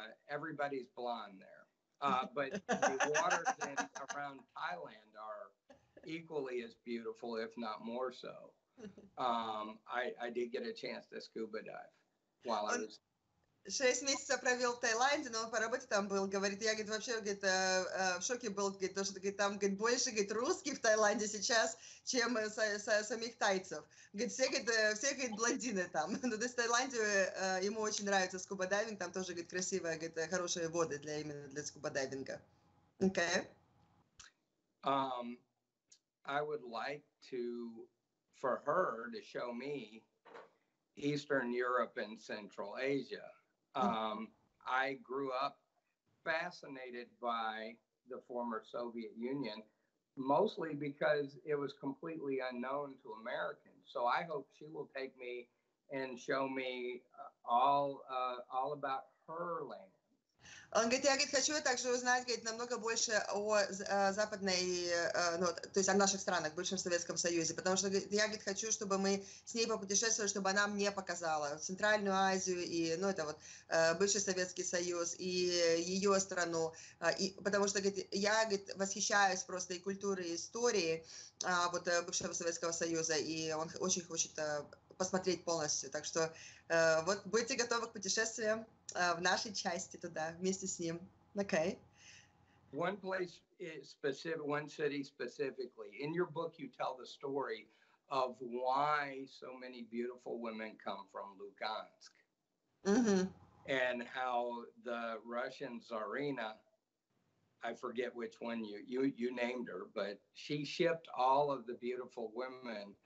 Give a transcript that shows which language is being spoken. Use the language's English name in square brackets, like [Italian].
[English] Everybody's blonde there. But the waters in, around Thailand are equally as beautiful, if not more so. I did get a chance to scuba dive while I was... [Russian] 6 месяцев провел в Таиланде, но он по работе там был, говорит, я, говорит, вообще, говорит, в шоке был, говорит, то, что, говорит, там, говорит, больше, говорит, русских в Таиланде сейчас, чем самих тайцев. Говорит, все, говорит, блондины там. Ну, то есть в Таиланде ему очень нравится скубодайвинг, там тоже, говорит, красивые, говорит, хорошие воды для именно для скубодайвинга. [English] Okay. I would like to, for her to show me Eastern Europe and Central Asia. I grew up fascinated by the former Soviet Union, mostly because it was completely unknown to Americans. So I hope she will take me and show me all about her land. [Russian] Он говорит, я, говорит, хочу также узнать, говорит, намного больше о западной, ну, то есть о наших странах, бывшем Советском Союзе, потому что, говорит, я, говорит, хочу, чтобы мы с ней попутешествовали, чтобы она мне показала Центральную Азию и, ну, это вот, бывший Советский Союз и ее страну, и, потому что, говорит, я, говорит, восхищаюсь просто и культурой, и историей вот бывшего Советского Союза, и он очень хочет посмотреть полностью, так что вот будьте готовы к путешествиям. В нашей части туда, вместе с ним. [English] Okay. One place is specific, one city specifically. In your book, you tell the story of why so many beautiful women come from Lugansk. Mm-hmm. And how the Russian Tsarina, I forget which one you named her, but she shipped all of the beautiful women,